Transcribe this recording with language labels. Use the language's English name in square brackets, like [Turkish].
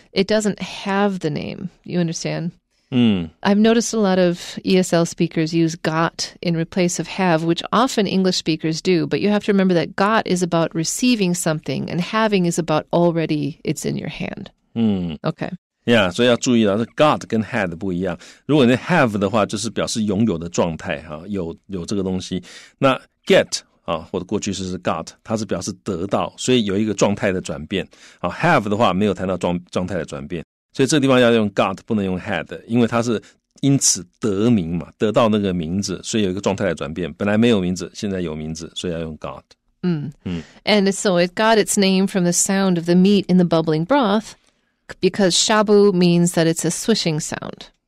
[English] It doesn't have the name. You understand? Mm. I've noticed a lot of ESL speakers use got in replace of have, which often English speakers do. But you have to remember that got is about receiving something and having is about already it's in your hand. Mm. Okay. [Chinese] Yeah, 所以要注意了，这 got 跟 had 不一样。如果你 have 的话，就是表示拥有的状态，啊，有这个东西。那 get 啊，或者过去式是 got， 它是表示得到，所以有一个状态的转变。啊 ，have 的话没有谈到状态的转变，所以这个地方要用 got， 不能用 had， 因为它是因此得名嘛，得到那个名字，所以有一个状态的转变。本来没有名字，现在有名字，所以要用 got。 [English] And so it got its name from the sound of the meat in the bubbling broth. Because shabu means that it's a swishing sound.